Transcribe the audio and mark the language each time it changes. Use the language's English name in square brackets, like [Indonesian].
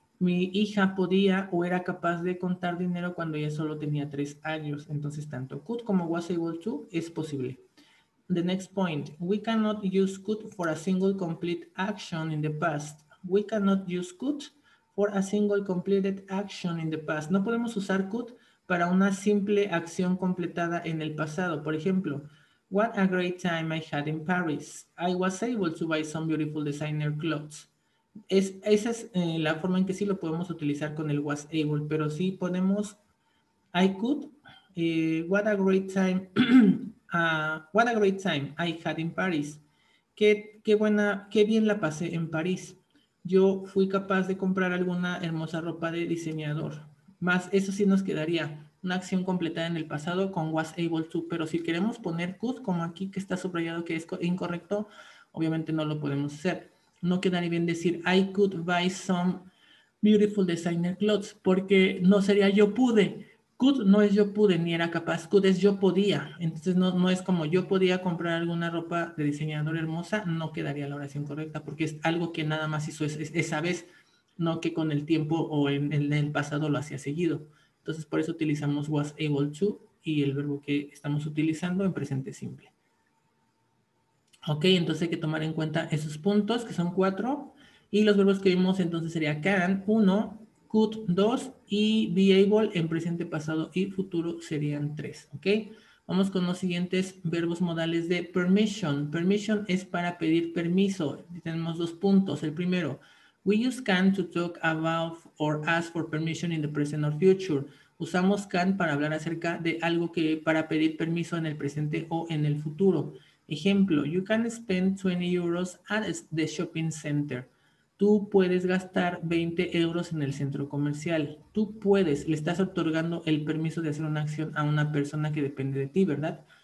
[Spanish] Mi hija podía o era capaz de contar dinero cuando ella solo tenía 3 años. Entonces, tanto could como was able to es posible. [English] The next point, we cannot use could for a single complete action in the past. We cannot use could for a single completed action in the past. [Spanish] No podemos usar could para una simple acción completada en el pasado. Por ejemplo, [English] what a great time I had in Paris. I was able to buy some beautiful designer clothes. [Spanish] Esa es la forma en que sí lo podemos utilizar con el was able, pero sí ponemos I could. [English] What a great time. What a great time I had in Paris. [Spanish] Qué bien la pasé en París. Yo fui capaz de comprar alguna hermosa ropa de diseñador. Más eso sí nos quedaría una acción completada en el pasado con was able to. Pero si queremos poner could, como aquí que está subrayado que es incorrecto, obviamente no lo podemos hacer. No quedaría bien decir [English] I could buy some beautiful designer clothes, [Spanish] porque no sería yo pude. Could no es yo pude ni era capaz, could es yo podía. Entonces no es como yo podía comprar alguna ropa de diseñador hermosa, no quedaría la oración correcta porque es algo que nada más hizo esa vez, no que con el tiempo o en el pasado lo hacía seguido. Entonces por eso utilizamos was able to y el verbo que estamos utilizando en presente simple. Ok, entonces hay que tomar en cuenta esos puntos, que son cuatro. Y los verbos que vimos entonces sería can, uno, could, dos, y be able en presente, pasado y futuro serían tres. Ok, vamos con los siguientes verbos modales de permission. Permission es para pedir permiso. Tenemos dos puntos. El primero, [English] we use can to talk about or ask for permission in the present or future. [Spanish] Usamos can para hablar acerca de algo que para pedir permiso en el presente o en el futuro. [English] Ejemplo, you can spend 20 euros at the shopping center. [Spanish] Tú puedes gastar 20 euros en el centro comercial. Tú puedes, le estás otorgando el permiso de hacer una acción a una persona que depende de ti, ¿verdad?